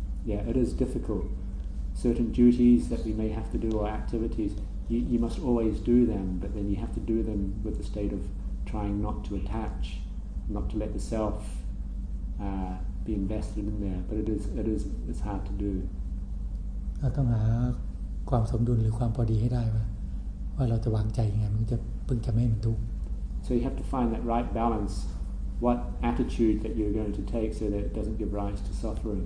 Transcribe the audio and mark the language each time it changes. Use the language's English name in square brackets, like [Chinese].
[English] Yeah it is difficult certain duties that we may have to do or activities you must always do them but then you have to do them with the state of trying not to attach not to let the selfbe invested in there but it's hard to do [Thai] เราต้องหาความสมดุลหรือความพอดีให้ได้ว่าเราจะวางใจยังไงมันจะพึงจะไม่ให้มันทุกข์ [English] so you have to find that right balance what attitude that you're going to take so that it doesn't give rise to suffering